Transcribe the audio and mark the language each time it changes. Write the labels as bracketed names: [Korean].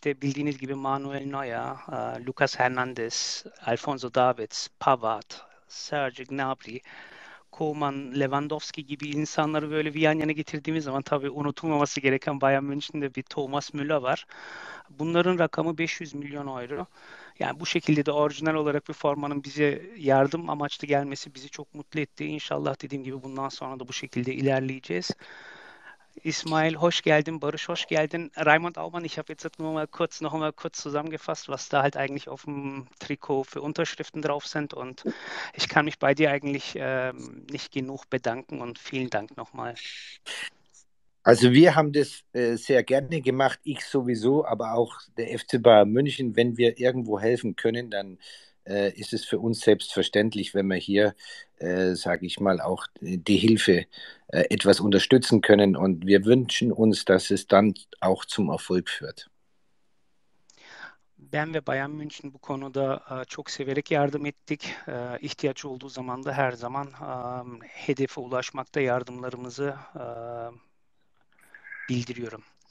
[Turkish] İşte bildiğiniz gibi Manuel Neuer, Lucas Hernandez, Alfonso Davids, Pavard, Serge Gnabry, Koeman, Lewandowski gibi insanları böyle bir yan yana getirdiğimiz zaman tabii unutulmaması gereken Bayern München'de bir Thomas Müller var. Bunların rakamı 500 milyon euro. Yani bu şekilde de orijinal olarak bir formanın bize yardım amaçlı gelmesi bizi çok mutlu etti. İnşallah dediğim gibi bundan sonra da bu şekilde ilerleyeceğiz. İsmail hoş geldin, Barış hoş geldin. [German] Raymond Aumann, ich habe jetzt noch mal kurz zusammengefasst, was da halt eigentlich auf dem Trikot für Unterschriften drauf sind und ich kann mich bei dir eigentlich nicht genug bedanken und vielen Dank nochmal. Also wir haben das sehr gerne gemacht, ich sowieso, aber auch der FC Bayern München. Wenn wir irgendwo helfen können, dann ist es für uns selbstverständlich, wenn wir hier, sage ich mal, auch die Hilfe etwas unterstützen können. Und wir wünschen uns, dass es dann auch zum Erfolg führt. [Turkish] Ben ve Bayern München bu konuda çok severek yardım ettik. İhtiyaç olduğu zaman da her zaman hedefe ulaşmakta yardımlarımızı bildiriyorum.